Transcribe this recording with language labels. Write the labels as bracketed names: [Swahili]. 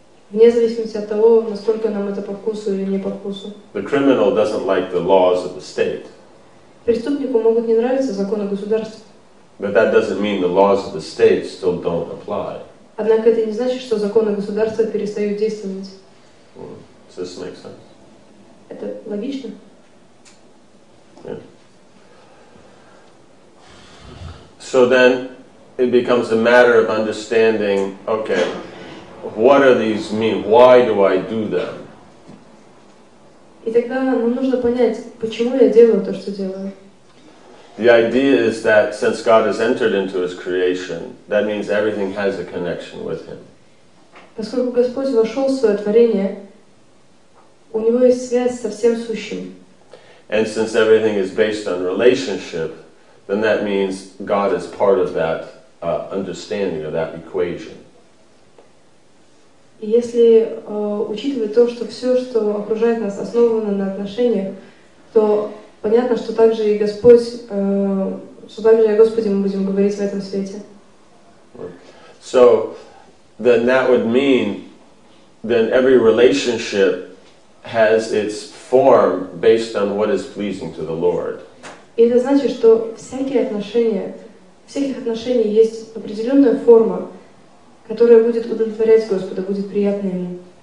[Russian] Вне зависимости от того, насколько нам это по вкусу или не по вкусу. [English] The criminal doesn't like the laws of the state. [Russian] Преступнику могут не нравиться законы государства. [English] But that doesn't mean the laws of the state still don't apply. [Russian] Однако это не значит, что законы государства перестают действовать. [English] Does this make sense? [Russian] Это логично? [English] Yeah. So then it becomes a matter of understanding, okay, what are these mean? Why do I do them? [Russian] И тогда нам нужно понять, почему я делаю то, что делаю. [English] The idea is that since God has entered into his creation, that means everything has a connection with him. [Russian] Поскольку Господь вошел в свое творение, у него есть связь со всем сущим. [English] And since everything is based on relationship, then that means God is part of that understanding, of that equation. [Russian] И если учитывать то, что все, что окружает нас, основано на отношениях, то понятно, что также и Господь, что также и о Господе мы будем говорить в этом свете. [English] So, then that would mean, then every relationship has its form based on what is pleasing to the Lord. [Russian] И это значит, что всякие отношения, всяких отношений есть определенная форма, которая будет удовлетворять Господа, будет приятна ему.